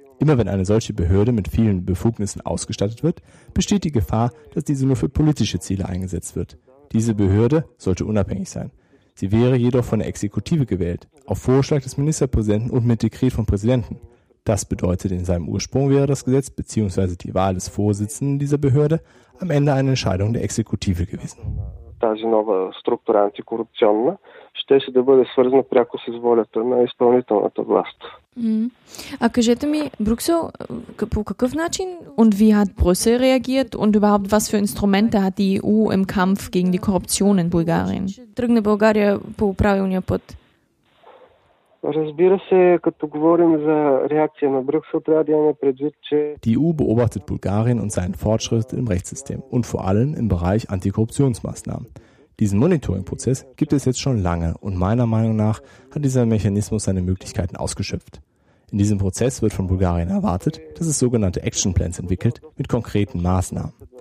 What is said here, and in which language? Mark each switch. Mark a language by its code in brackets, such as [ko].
[de] Immer wenn eine solche Behörde mit vielen Befugnissen ausgestattet wird, besteht die Gefahr, dass diese nur für politische Ziele eingesetzt wird. Diese Behörde sollte unabhängig sein. Sie wäre jedoch von der Exekutive gewählt, auf Vorschlag des Ministerpräsidenten und mit Dekret vom Präsidenten. Das bedeutet, in seinem Ursprung wäre das Gesetz bzw. die Wahl des Vorsitzenden dieser Behörde am Ende eine Entscheidung der Exekutive gewesen. [bg] Тази нова структура антикорупционна щеше да бъде свързана пряко с волята на изпълнителната власт. А кажете ми, Брюксел, по какъв начин [de] und wie hat Brüssel reagiert und überhaupt was für Instrumente hat die EU im Kampf gegen die Korruption in Bulgarien? [bg] Тръгне България по правилния път? Разбира се, като говорим за реакция на Брюксел, трябва да имаме предвид, че [de] Die EU beobachtet Bulgarien und seinen Fortschritt im Rechtssystem und vor allem im Bereich Antikorruptionsmaßnahmen. Diesen Monitoring-Prozess gibt es jetzt schon lange und meiner Meinung nach hat dieser Mechanismus seine Möglichkeiten ausgeschöpft. In diesem Prozess wird von Bulgarien erwartet, dass es sogenannte Action Plans entwickelt mit konkreten Maßnahmen.